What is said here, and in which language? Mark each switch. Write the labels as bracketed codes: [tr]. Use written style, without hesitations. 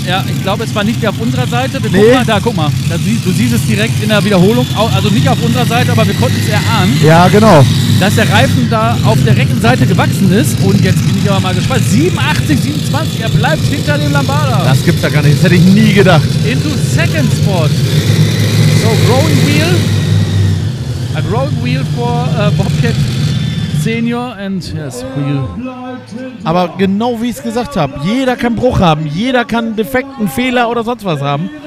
[de] Ja, ich glaube, es war nicht auf unserer Seite. Wir gucken mal, da, guck mal. Da, du siehst es direkt in der Wiederholung. Also nicht auf unserer Seite, aber wir konnten es erahnen. Ja, genau. Dass der Reifen da auf der rechten Seite gewachsen ist. Und jetzt bin ich aber mal gespannt. 87,27, er bleibt hinter dem Lambada. Das gibt's da gar nicht. Das hätte ich nie gedacht. [en] Into second spot. So, growing wheel. A growing wheel for Bobcat Senior and yes, wheel. [de] Aber genau wie ich es gesagt habe, jeder kann Bruch haben, jeder kann einen Defekt, einen Fehler oder sonst was haben.